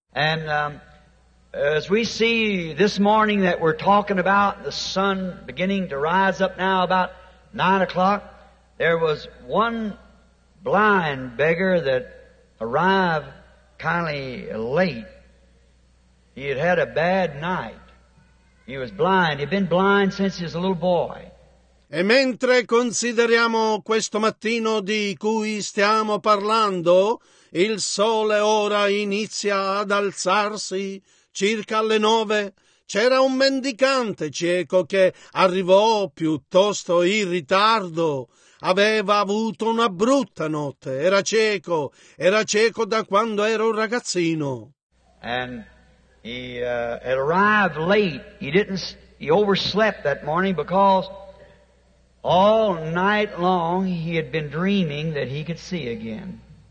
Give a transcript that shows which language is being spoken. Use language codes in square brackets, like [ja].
[en] And as we see this morning that we're talking about, the sun beginning to rise up now about 9 o'clock, there was one blind beggar that arrived kindly late. He had had a bad night. He was blind. He'd been blind since he was a little boy. [it] E mentre consideriamo questo mattino di cui stiamo parlando, il sole ora inizia ad alzarsi. Circa alle 9 c'era un mendicante cieco che arrivò piuttosto in ritardo. Aveva avuto una brutta notte. Era cieco da quando era un ragazzino. [en] And he arrived late. He overslept that morning because all night long he had been dreaming that he could see again.